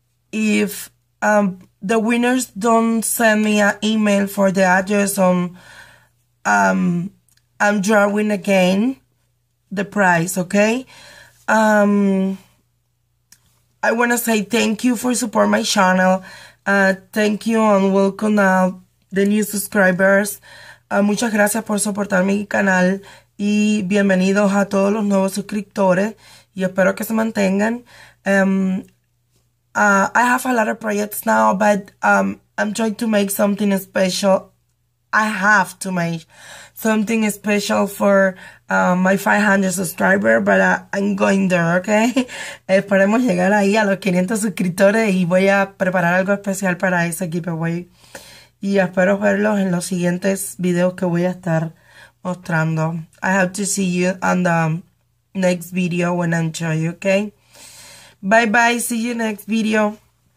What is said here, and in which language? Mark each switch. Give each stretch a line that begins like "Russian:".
English: If the winners don't send me an email for the address on I'm drawing again the prize, okay? I want to say thank you for supporting my channel. Thank you and welcome now the new subscribers.
Spanish: Muchas gracias por soportar mi canal y bienvenidos a todos los nuevos suscriptores. Y espero que se mantengan.
English: I have a lot of projects now, but I'm trying to make something special. I have to make something special for my 500 subscribers, but I'm going there, okay?
Spanish: Esperemos llegar ahí a los 500 suscriptores y voy a preparar algo especial para ese giveaway. Y espero verlos en los siguientes videos que voy a estar mostrando.
English: I have to see you on the next video when I'm showing you, okay? Bye bye, see you next video.